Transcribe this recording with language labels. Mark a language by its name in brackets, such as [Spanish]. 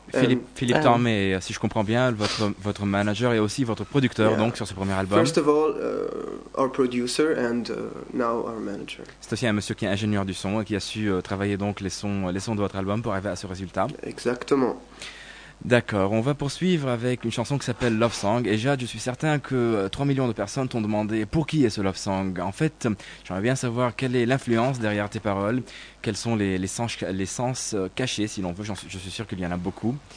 [French] Philippe Tormé, si je comprends bien, votre manager et aussi votre producteur, yeah. Donc sur ce premier album. [English] First of all, our producer and now our manager. [French] C'est aussi un monsieur qui est ingénieur du son et qui a su travailler donc les sons de votre album pour arriver à ce résultat. Exactement. D'accord, on va poursuivre avec une chanson qui s'appelle Love Song. Et Jade, je suis certain que 3 millions de personnes t'ont demandé pour qui est ce Love Song. En fait, j'aimerais bien savoir quelle est l'influence derrière tes paroles, quels sont les sens cachés, si l'on veut, je suis sûr qu'il y en a beaucoup.